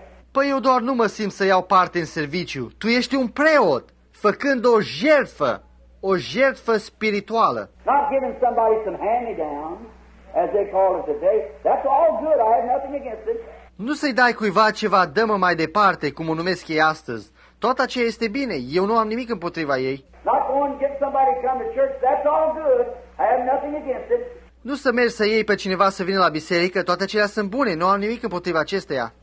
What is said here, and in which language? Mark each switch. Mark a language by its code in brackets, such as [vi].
[ro] Păi eu doar nu mă simt să iau parte în serviciu, tu ești un preot, făcând o jertfă spirituală. [en] Not giving somebody some hand-me-down. As they call it today, that's all good. I have nothing against it. [ro] Nu să-i dai cuiva ceva, dă-mă mai departe, cum o numesc ei astăzi. Tot aceea este bine. Eu nu am nimic împotriva ei. [en] Not going to get somebody to come to church. That's all good. I have nothing against it. [ro] Nu să mergi să iei pe cineva să vină la biserică. Toate acelea sunt bune. Nu am nimic împotriva acesteia.